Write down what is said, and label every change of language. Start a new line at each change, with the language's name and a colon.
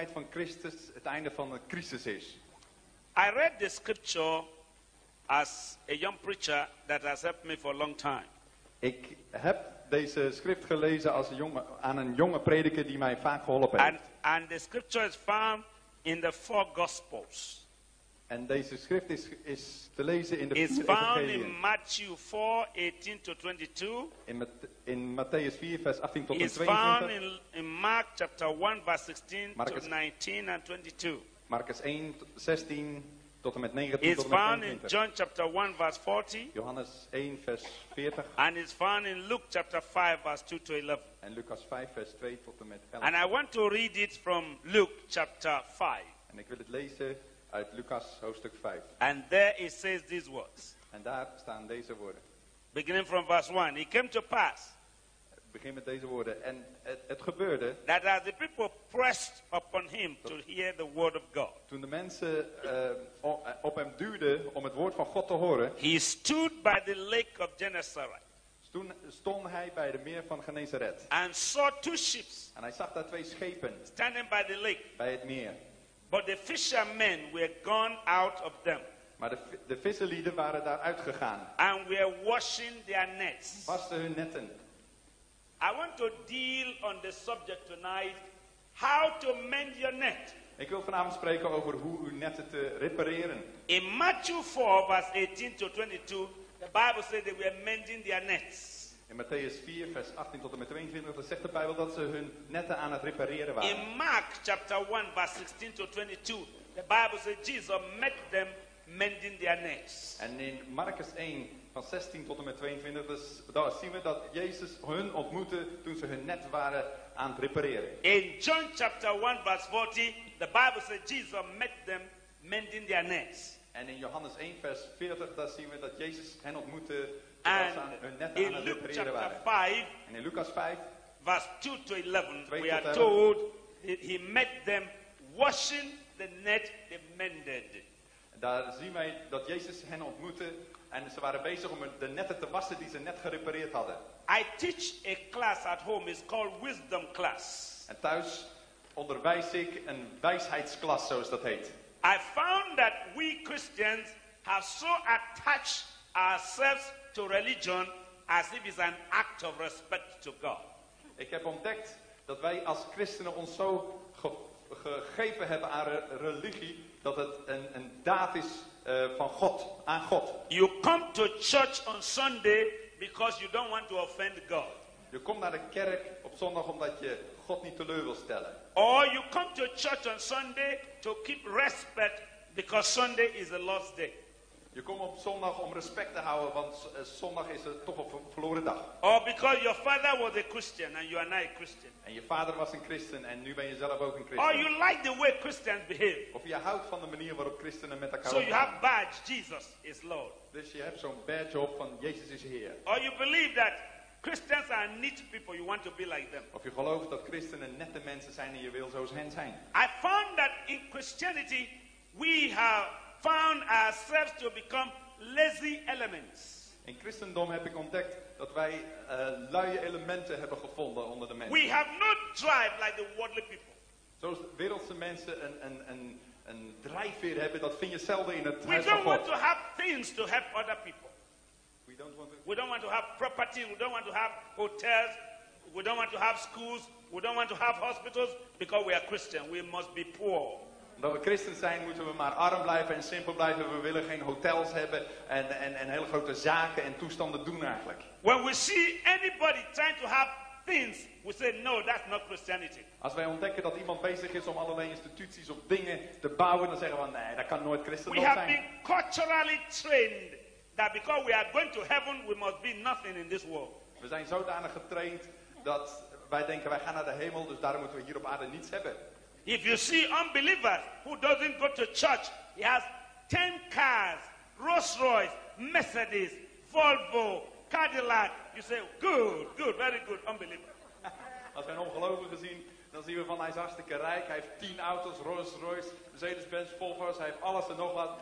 Dutch: Christus het einde van de crisis is.
English: I read the scripture as a young preacher that has helped me for a long time.
Dutch: Ik heb deze schrift gelezen als een jonge, aan een jonge prediker die mij vaak geholpen heeft.
English: And the scripture is found in the four gospels.
Dutch: En deze schrift is te lezen in de
English: It's found in Matthew 4:18 to 22.
Dutch: In Matthäus 4 vers 18 tot 22.
English: It's found in Mark chapter 1 verse 16 Marcus, to 19 and 22.
Dutch: Marcus 1 16 tot en met 19
English: It's
Dutch: tot
English: found in John chapter 1 verse 40.
Dutch: Johannes 1 vers 40.
English: And it's found in Luke chapter 5 verse 2 to 11.
Dutch: En Lucas 5 vers 2 tot en met 11.
English: And I want to read it from Luke chapter 5.
Dutch: En ik wil het lezen uit Lucas hoofdstuk 5.
English: And there it says these words.
Dutch: En daar staan deze woorden.
English: Beginning from verse 1. It came to pass.
Dutch: Begin met deze woorden. En het gebeurde.
English: That as the people pressed upon him to hear the word of God.
Dutch: Toen de mensen op hem duwden om het woord van God te horen.
English: He stood by the lake of Genesaret.
Dutch: Toen stond hij bij de meer van Genesaret.
English: And saw two ships.
Dutch: En hij zag daar twee schepen.
English: Standing by the lake.
Dutch: Bij het meer.
English: But the fishermen were gone out of them.
Dutch: Maar de visserlieden waren daar uitgegaan.
English: And were washing their nets.
Dutch: Wasten hun netten.
English: I want to deal on the subject tonight. How to mend your net.
Dutch: Ik wil vanavond spreken over hoe uw netten te repareren.
English: In Matthew 4 verse 18 to 22. The Bible said they were mending their nets.
Dutch: In Matthäus 4, vers 18 tot en met 22, zegt de Bijbel dat ze hun netten aan het repareren waren.
English: In Mark chapter 1, verse 16 to 22, the Bible says Jesus met them mending their nets.
Dutch: En in Marcus 1, van 16 tot en met 22, dus, daar zien we dat Jezus hun ontmoette toen ze hun net waren aan het repareren.
English: In John chapter 1, verse 40, the Bible says Jesus met them mending their nets.
Dutch: En in Johannes 1, vers 40, daar zien we dat Jezus hen ontmoette.
English: In Luke chapter 5, and in Lucas 5, verse 2 to 11, we are told he met them washing the net they mended.
Dutch: Daar zien wij dat Jezus hen ontmoette en ze waren bezig om de netten te wassen die ze net gerepareerd hadden.
English: I teach a class at home, it's called wisdom class.
Dutch: En thuis onderwijs ik een wijsheidsklas, zoals dat heet.
English: I found that we Christians have so attached ourselves to religion as if it's an act of respect to God.
Dutch: Ik heb ontdekt dat wij als christenen ons zo gegeven hebben aan religie dat het een daad is van God aan God.
English: You come to church on Sunday because you don't want to offend God.
Dutch: Je komt naar de kerk op zondag omdat je God niet teleur wil stellen.
English: Or you come to church on Sunday to keep respect because Sunday is the Lord's day.
Dutch: Je komt op zondag om respect te houden, want zondag is het toch een verloren dag.
English: Or because your father was a Christian and you are now a Christian.
Dutch: En je vader was een christen en nu ben je zelf ook een christen.
English: Or you like the way Christians behave.
Dutch: Of je houdt van de manier waarop christenen met elkaar omgaan.
English: So you have badge, Jesus is Lord.
Dutch: Dus je hebt zo'n badge op van Jezus is Heer.
English: Or you believe that Christians are neat people, you want to be like them.
Dutch: Of je gelooft dat christenen nette mensen zijn en je wil zoals hen zijn.
English: I found that in Christianity we have found ourselves to become lazy elements.
Dutch: In Christendom heb ik ontdekt dat wij luie elementen hebben gevonden onder de mensen.
English: We have no drive like the worldly people.
Dutch: Zoals wereldse mensen een drijfveer hebben, dat vind je zelden in het huis van God.
English: We don't want to have things to help other people. We don't want to. We don't want to have property. We don't want to have hotels. We don't want to have schools. We don't want to have hospitals because we are Christian. We must be poor.
Dutch: Omdat we christen zijn, moeten we maar arm blijven en simpel blijven. We willen geen hotels hebben en hele grote zaken en toestanden doen eigenlijk.
English: When we see anybody trying to have things, we say no, that's not Christianity.
Dutch: Als wij ontdekken dat iemand bezig is om allerlei instituties of dingen te bouwen, dan zeggen we nee, dat kan nooit christendom zijn.
English: We have been culturally trained that because we are going to heaven, we must be nothing in this world.
Dutch: We zijn zodanig getraind dat wij denken wij gaan naar de hemel, dus daarom moeten we hier op aarde niets hebben.
English: If you see unbelievers who doesn't go to church, he has 10 cars, Rolls Royce, Mercedes, Volvo, Cadillac. You say, good, good, very good, unbeliever.
Dutch: Als we een ongelovige zien, dan zien we van hij is hartstikke rijk. Hij heeft 10 auto's, Rolls Royce, Mercedes, Benz, Volvo's. Hij heeft alles en nog wat.